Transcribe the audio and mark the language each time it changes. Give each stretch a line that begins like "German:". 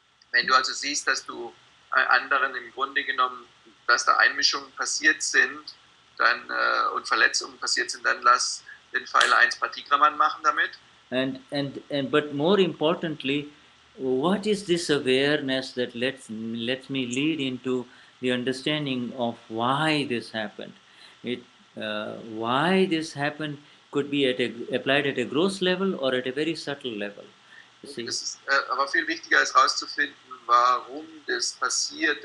German: Wenn du also siehst, dass du anderen im Grunde genommen, dass da Einmischungen passiert sind, dann und Verletzungen passiert sind, dann lass den file 1 pratikraman machen damit.
English: But more importantly, what is this awareness that lets me lead into the understanding of why this happened? Why this happened could be applied at a gross level or at a very subtle level. You see?
German: Das ist, aber viel wichtiger ist herauszufinden, warum das passiert.